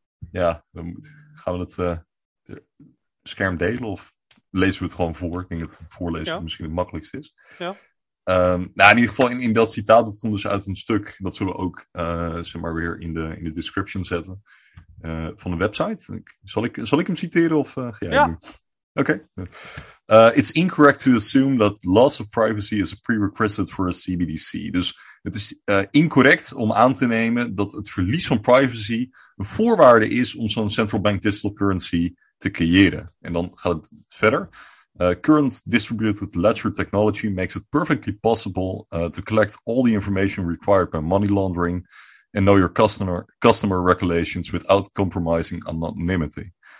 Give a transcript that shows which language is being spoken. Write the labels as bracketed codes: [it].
[nl] Ja, gaan we het scherm delen of lezen we het gewoon voor? Ik denk dat het voorlezen misschien het makkelijkste is. Ja. Nou, in ieder geval in dat citaat, dat komt dus uit een stuk, dat zullen we ook zeg maar weer in de description zetten, van de website. Zal ik hem citeren of ga jij doen? Okay. [en] It's incorrect to assume that loss of privacy is a prerequisite for a CBDC. [nl] Dus het is incorrect om aan te nemen dat het verlies van privacy een voorwaarde is om zo'n central bank digital currency te creëren. En dan gaat het verder. [en] Current distributed ledger technology makes it perfectly possible to collect all the information required by money laundering and know your customer regulations without compromising anonymity.